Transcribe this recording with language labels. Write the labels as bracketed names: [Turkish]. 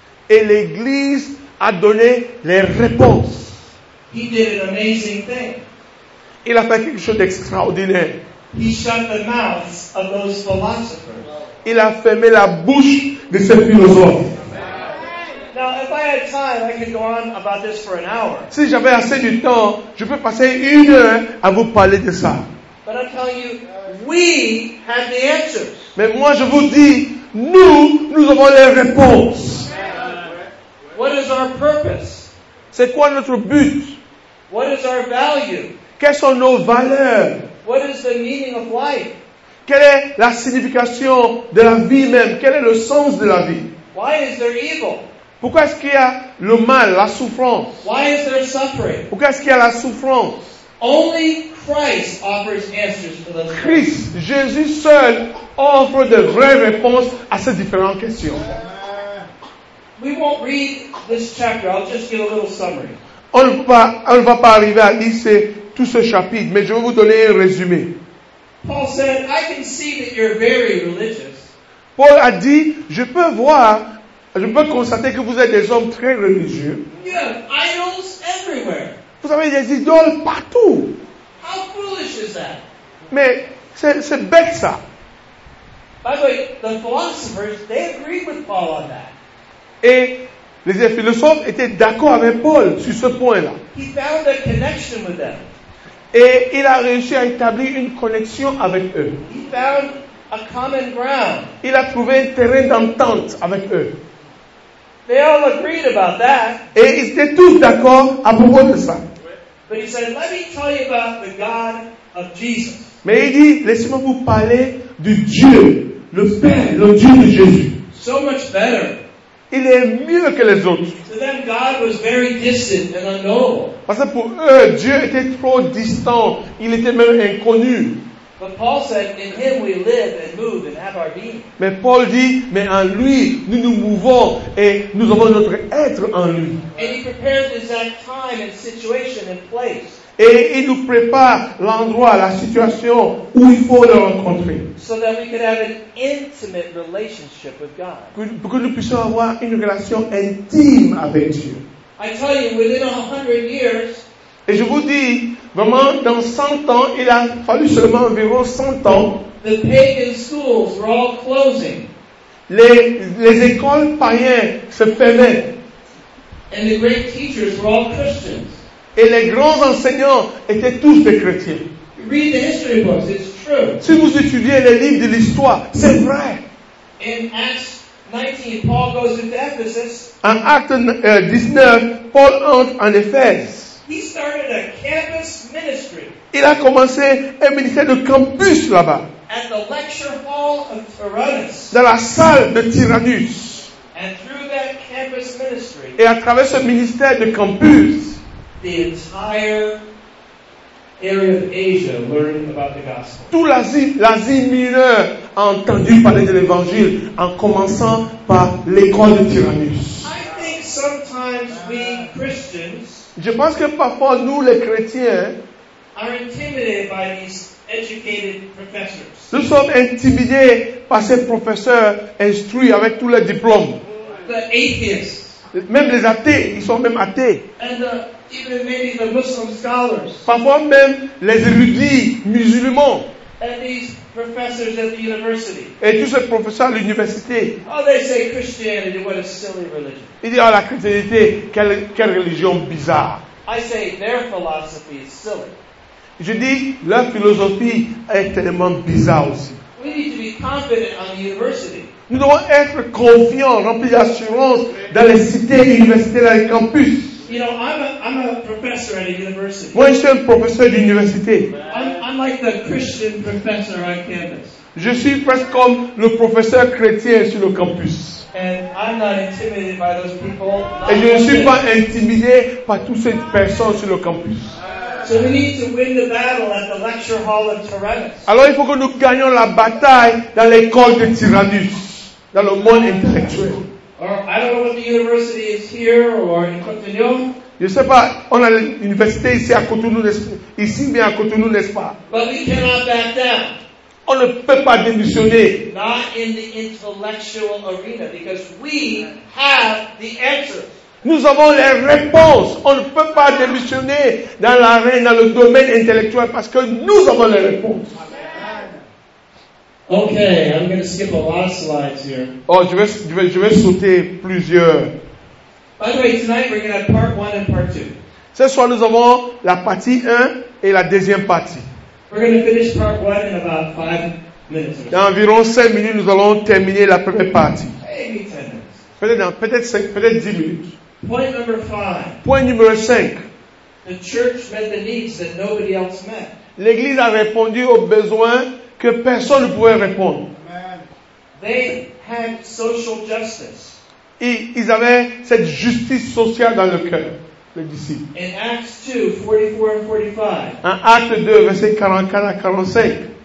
[French] Et l'église a donné les réponses. [English] He did an amazing thing. [French] Il a fait quelque chose d'extraordinaire. [English] He shut the mouths of those philosophers. [French] Il a fermé la bouche de ces philosophes. [English] Now, if I had time, I could go on about this for an hour. [French] Si j'avais assez de temps, je peux passer une heure à vous parler de ça. [English] But I'm telling you, we have the answers. [French] Mais moi, je vous dis, nous avons les réponses. [English] What is our purpose? [French] C'est quoi notre but? [English] What is our value? [French] Quelles sont nos valeurs? [English] What is the meaning of life? [French] Quelle est la signification de la vie même? Quel est le sens de la vie? [English] Why is there evil? [French] Pourquoi est-ce qu'il y a le mal, la souffrance? [English] Why is there suffering? [French] Pourquoi est-ce qu'il y a la souffrance? [English] Only Christ offers answers to those. [French] Christ, Jésus seul, offre de vraies réponses à ces différentes questions. [English] We won't read this chapter. I'll just give a little summary. [French] On ne va pas arriver à lire tout ce chapitre, mais je vais vous donner un résumé. [English] Paul said, I can see that you're very religious. [French] Paul a dit, je peux constater que vous êtes des hommes très religieux. [English] You have idols everywhere. [French] Vous avez des idoles partout. [English] How foolish is that? [French] Mais c'est bête ça. [English] By the way, the philosophers, they agreed with Paul on that. [French] Et les philosophes étaient d'accord avec Paul sur ce point-là. [English] He found a connection with them. [French] Et il a réussi à établir une connexion avec eux. [English] He found a common ground. [French] Il a trouvé un terrain d'entente avec eux. [English] They all agreed about that. [French] Et ils étaient tous d'accord à propos de ça. [English] But he said, "Let me tell you about the God of Jesus." [French] Mais il dit, laissez-moi vous parler du Dieu, le Père, le Dieu de Jésus. [English] So much better. [French] Il est mieux que les autres. [English] To them, God was very distant and unknowable. [French] Parce que pour eux, Dieu était trop distant. Il était même inconnu. [English] But Paul said, in him we live and move and have our being. [French] Mais Paul dit, mais en lui, nous nous mouvons et nous avons notre être en lui. [English] And he prepared the exact time and situation and place. [French] Et il nous prépare l'endroit, la situation où il faut le rencontrer. [English] So that we could have an intimate relationship with God. [French] Pour que nous puissions avoir une relation intime avec Dieu. [English] I tell you, within 100 years, [French] et je vous dis, vraiment, dans 100 ans, il a fallu seulement environ 100 ans, [English] the pagan schools were all closing. [French] Les écoles païennes se fermaient. [English] And the great teachers were all Christians. [French] Et les grands enseignants étaient tous des chrétiens. [English] Read the history books, it's true. [French] Si vous étudiez les livres de l'histoire, c'est vrai. [English] In Acts 19, Paul goes into Ephesus. [French] En Actes 19, Paul entre en Éphèse. [English] He started a campus ministry. [French] Il a commencé un ministère de campus là-bas. [English] And the lecture hall of Tyrannus. [French] Dans la salle de Tyrannus. [English] And through that campus ministry. [French] Et à travers ce ministère de campus. [English] The entire area of Asia learned about the gospel. [French] Tout l'Asie mineure a entendu parler de l'évangile en commençant par l'école de Tyrannus. [English] I think sometimes we Christians. [French] Je pense que parfois nous les chrétiens. [English] Are intimidated by these educated professors. [French] Nous sommes intimidés par ces professeurs instruits avec tous les diplômes. [English] The atheists. [French] Même les athées, ils sont même athées. [English] And even maybe the Muslim scholars. [French] Parfois même les érudits musulmans. [English] And these professors at the university. [French] Et tous ces professeurs à l'université. [English] Oh, they say Christianity, what a silly religion. [French] Ils disent, oh, la chrétienté, quelle religion bizarre. [English] I say their philosophy is silly. [French] Je dis, leur philosophie est tellement bizarre aussi. [English] We need to be confident on the university. [French] Nous devons être confiants, remplis d'assurance dans les cités, universités, dans les campus. [English] You know, I'm a professor at a university. [French] Moi, je suis un professeur d'université. [English] I'm like the Christian professor on campus. [French] Je suis presque comme le professeur chrétien sur le campus. [English] And I'm not intimidated by those people. [French] Et je ne suis pas intimidé par toutes ces personnes sur le campus. [English] So we need to win the battle at the lecture hall of Tyrannus. [French] Alors il faut que nous gagnions la bataille dans l'école de Tyrannus, dans le monde intellectuel. [English] Or, I don't know what the university is here or in Cotonou. [French] Je ne sais pas, on a l'université ici à Cotonou, ici bien à Cotonou, n'est-ce pas? [English] But we cannot back down. [French] On ne peut pas démissionner. [English] Not in the intellectual arena, because we have the answers. [French] Nous avons les réponses. On ne peut pas démissionner dans l'arène, dans le domaine intellectuel, parce que nous avons les réponses. [English] Okay, I'm going to skip a lot of slides here. [French] Oh, je vais sauter plusieurs. [English] By the way, tonight we're going to have part one and part two. [French] Ce soir, nous avons la partie 1 et la deuxième partie. [English] We're going to finish part one in about 5 minutes. [French] Dans environ 5 minutes, nous allons terminer la première partie. [English] Maybe 10 minutes. [French] Peut-être 10 minutes. [English] Point number 5. [French] Point numéro 5. [English] The church met the needs that nobody else met. [French] L'église a répondu aux besoins que personne ne pouvait répondre. [English] Amen. They had social justice. [French] Ils avaient cette justice sociale dans le cœur, les disciples. [English] In Acts 2, 44 and 45. [French] En Acte 2, verset 44 à 45.